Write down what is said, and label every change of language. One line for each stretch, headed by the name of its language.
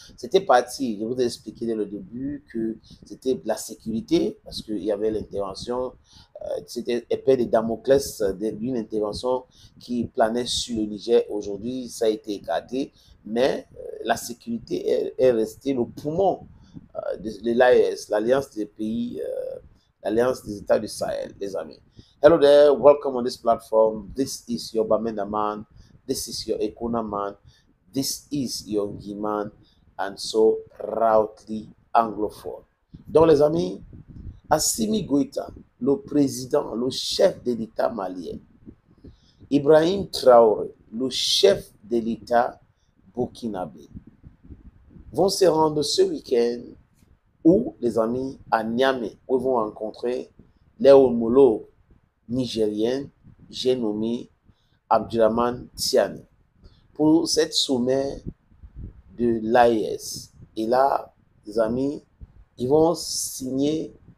French: C'était parti, je vous ai expliqué dès le début que c'était la sécurité, parce qu'il y avait l'intervention, c'était épée de Damoclès d'une intervention qui planait sur le Niger. Aujourd'hui, ça a été écarté, mais la sécurité est restée le poumon de l'AES, l'Alliance des pays, l'Alliance des États du Sahel, les amis.
English: Hello there, welcome on this platform. This is your Bamenda man, this is your Ekuna man, this is your Guy man, and so proudly anglophone.
French: Donc, les amis, Assimi Goïta, le président, le chef de l'État malien, Ibrahim Traoré, le chef de l'État burkinabé, vont se rendre ce week-end où, les amis, à Niamey, où ils vont rencontrer les homologues nigériens, j'ai nommé Abdurrahman Tiani, pour cette sommet de l'AES. Et là, les amis, ils vont signer